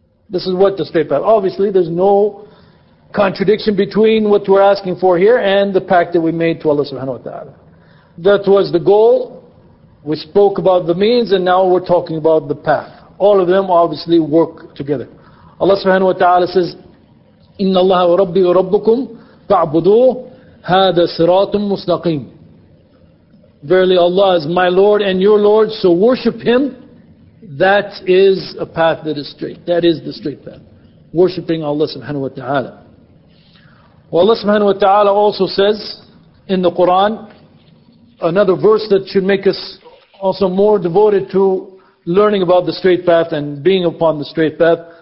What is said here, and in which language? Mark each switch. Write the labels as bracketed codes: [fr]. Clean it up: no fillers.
[en] This is what the straight path, obviously there's no contradiction between what we're asking for here and the pact that we made to Allah subhanahu wa ta'ala. That was the goal. We spoke about the means and now we're talking about the path. All of them obviously work together. [ar] Allah subhanahu wa ta'ala says, إِنَّ اللَّهَ وَرَبِّي وَرَبُّكُمْ فَعْبُدُوهُ هَذَا صِرَاطٌ مُسْتَقِيمٌ. [en] Verily Allah is my Lord and your Lord, so worship Him. That is a path that is straight. That is the straight path. Worshipping Allah subhanahu wa ta'ala. Well, Allah subhanahu wa ta'ala also says in the Quran, another verse that should make us also more devoted to learning about the straight path and being upon the straight path.